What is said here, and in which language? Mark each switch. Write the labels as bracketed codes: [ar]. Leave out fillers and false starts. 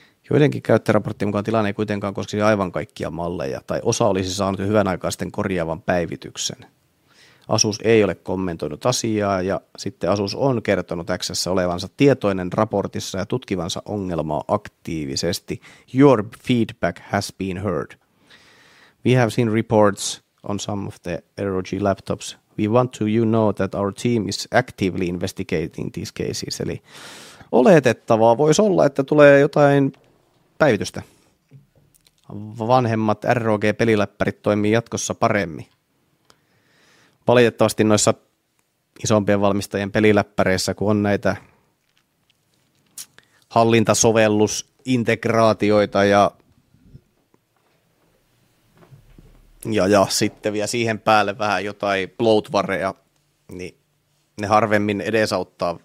[fi] Joidenkin käyttöraporttien mukaan tilanne ei kuitenkaan koskisi aivan kaikkia malleja tai osa olisi saanut jo hyvän aikaa sitten korjaavan päivityksen. Asus ei ole kommentoinut asiaa ja sitten Asus on kertonut X:ssä olevansa tietoinen raportissa ja tutkivansa ongelmaa aktiivisesti. [en] Your feedback has been heard. We have seen reports on some of the ROG laptops. We want to you know that our team is actively investigating these cases. [fi] Eli oletettavaa voisi olla, että tulee jotain päivitystä. Vanhemmat ROG-peliläppärit toimii jatkossa paremmin. Valitettavasti noissa isompien valmistajien peliläppäreissä, kun on näitä hallintasovellusintegraatioita ja sitten vielä siihen päälle vähän jotain bloatwareja, niin ne harvemmin edesauttaa.